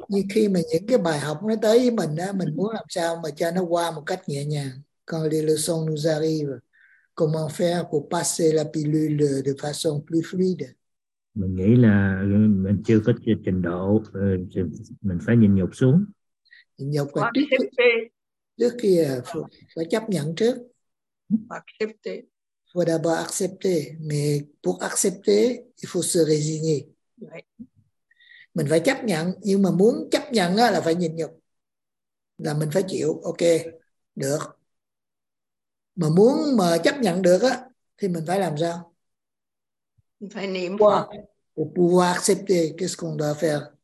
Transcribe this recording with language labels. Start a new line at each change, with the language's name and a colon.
Vietnamese: khi mà những cái bài học nó tới với mình á, mình muốn làm sao mà cho nó qua một cách nhẹ nhàng.
French: Quand les leçons nous arrivent, comment faire pour passer la pilule de façon plus fluide?
Vietnamese: Mình nghĩ là mình chưa có trình độ, mình phải nhịn nhục xuống. Nhịn nhục là trước khi phải chấp nhận trước.
French: Accepter. Il faut d'abord accepter, mais pour accepter, il faut se résigner. Oui.
Vietnamese: Mình phải chấp nhận, nhưng mà muốn chấp nhận là phải nhịn nhục. Là mình phải chịu, ok, được. Mà muốn mà chấp nhận được thì mình phải làm sao? Mình phải niệm Phật.
French: Pour pouvoir accepter, qu'est-ce qu'on doit faire?